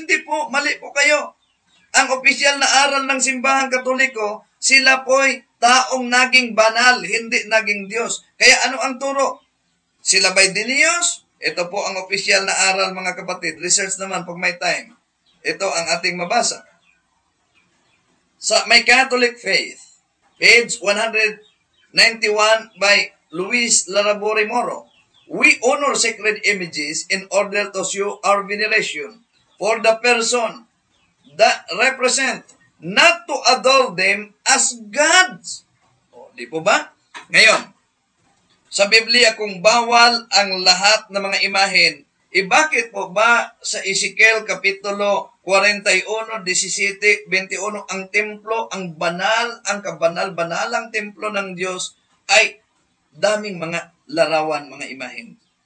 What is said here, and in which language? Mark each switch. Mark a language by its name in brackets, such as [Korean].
[Filipino] Hindi po, mali po kayo. Ang opisyal na aral ng simbahang katoliko, sila po'y taong naging banal, hindi naging Diyos. Kaya ano ang turo? Sila ba'y diniyos? Ito po ang opisyal na aral, mga kapatid. Research naman pag may time. Ito ang ating mabasa. [English] Sa My Catholic Faith, page 191 by Luis Laraburi Moro, we honor sacred images in order to show our veneration for the person that represent, not to adore them as gods. [Filipino] O, di po ba? Ngayon, sa Biblia, kung bawal ang lahat ng mga imahen, e bakit po ba sa Ezekiel Kapitulo 41:17-21, ang templo, ang banal, ang kabanal-banalang templo ng Diyos ay daming mga larawan, mga imahen.